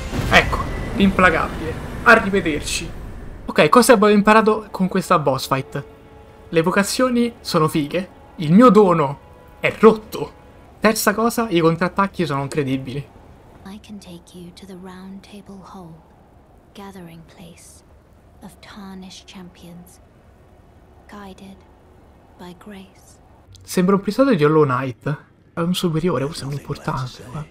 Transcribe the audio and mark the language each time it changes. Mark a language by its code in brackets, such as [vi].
[it] Ecco, l'implacabile. Arrivederci. Ok, cosa abbiamo imparato con questa boss fight? Le evocazioni sono fighe. Il mio dono è rotto. Terza cosa, i contrattacchi sono incredibili. [en] I can take you to the round table hall, gathering place of tarnished champions, guided by grace. [it] Sembra un episodio di Hollow Knight. È un superiore, forse è un importante.